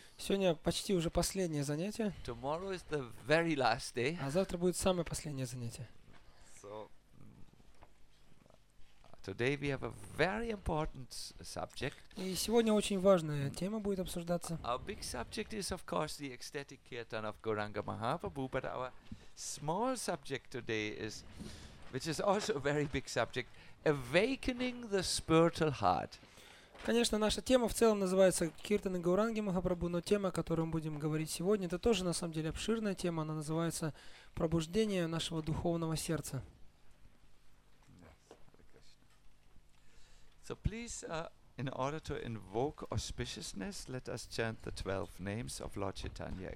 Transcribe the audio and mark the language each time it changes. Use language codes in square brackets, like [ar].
[ru] Сегодня почти уже последнее занятие. [en] Tomorrow is the very last day. [ru] А завтра будет самое последнее занятие. [en] So, today we have a very important subject. [ru] И сегодня очень важная тема будет обсуждаться. [en] Our big subject is, of course, the ecstatic kirtan of Gauranga Mahaprabhu, but our small subject today is, which is also a very big subject, awakening the spiritual heart. [ru] Конечно, наша тема в целом называется Киртаны Гауранги Махапрабху, но тема, о которой мы будем говорить сегодня, это тоже на самом деле обширная тема, она называется пробуждение нашего духовного сердца. [en] So please, in order to invoke auspiciousness, let us chant the 12 names of Lord Chaitanya again.